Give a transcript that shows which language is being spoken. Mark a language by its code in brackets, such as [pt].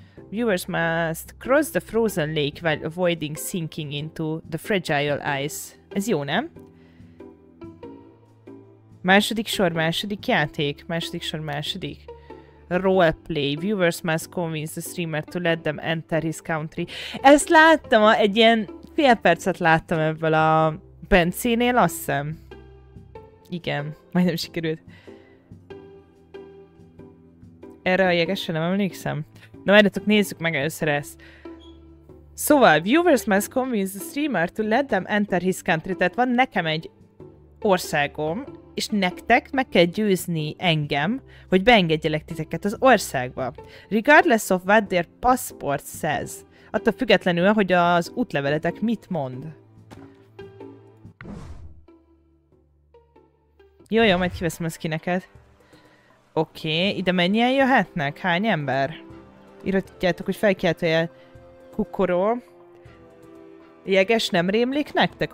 [en] Viewers must cross the frozen lake while avoiding sinking into the fragile ice. [hu] Ez jó, nem? Második sor, második játék. Második sor, második. Roleplay. [en] Viewers must convince the streamer to let them enter his country. [hu] Ezt láttam, egy ilyen fél percet láttam ebből a Bencénél, azt hiszem. Igen, majdnem sikerült. Erre a jegesre nem emlékszem. Na, várjatok, nézzük meg először ezt. Szóval, [en] viewers must convince the streamer to let them enter his country. [hu] Tehát van nekem egy országom, és nektek meg kell győzni engem, hogy beengedjelek titeket az országba. [en] Regardless of what their passport says. [hu] Attól függetlenül, hogy az útleveletek mit mond. Jó, majd kiveszem ezt ki neked. Oké, ide mennyien jöhetnek? Hány ember? Írhatjátok, hogy felkiáltója kukoró. Jeges nem rémlik nektek?